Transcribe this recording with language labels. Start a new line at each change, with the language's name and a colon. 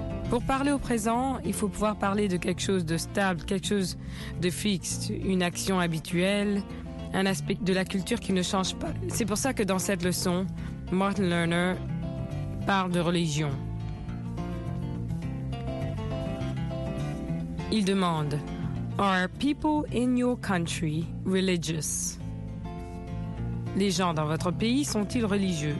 French: Pour parler au présent, il faut pouvoir parler de quelque chose de stable, quelque chose de fixe, une action habituelle, un aspect de la culture qui ne change pas. C'est pour ça que dans cette leçon, Martin Lerner parle de religion. Il demande,
English: Are people in your country religious?
French: Les gens dans votre pays sont-ils religieux?